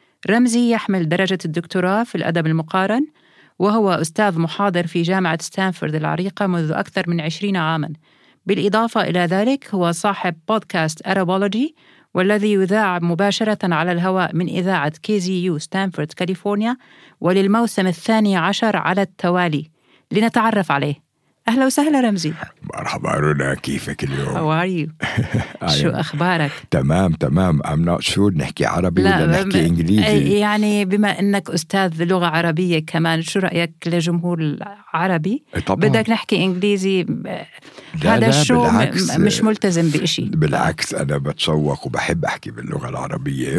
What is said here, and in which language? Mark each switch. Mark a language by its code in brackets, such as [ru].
[ar] رمزي يحمل درجة الدكتوراه في الأدب المقارن، وهو أستاذ محاضر في جامعة ستانفورد العريقة منذ أكثر من 20 عاماً. بالإضافة إلى ذلك هو صاحب بودكاست أرابولوجي، والذي يذاع مباشرة على الهواء من إذاعة KZU ستانفورد كاليفورنيا، وللموسم 12 على التوالي. لنتعرف عليه. أهلا وسهلا رمزي. مرحبا رنا، كيفك اليوم؟ [en] How are you؟ [ar] شو أخبارك؟ تمام. [en] I'm not sure [ar] نحكي عربي ولا نحكي إنجليزي. يعني بما أنك أستاذ لغة عربية كمان، شو رأيك لجمهور العربي؟ طبعا. بدك نحكي إنجليزي؟ هذا شو مش ملتزم بإشي. بالعكس، أنا بتشوق وبحب أحكي باللغة العربية.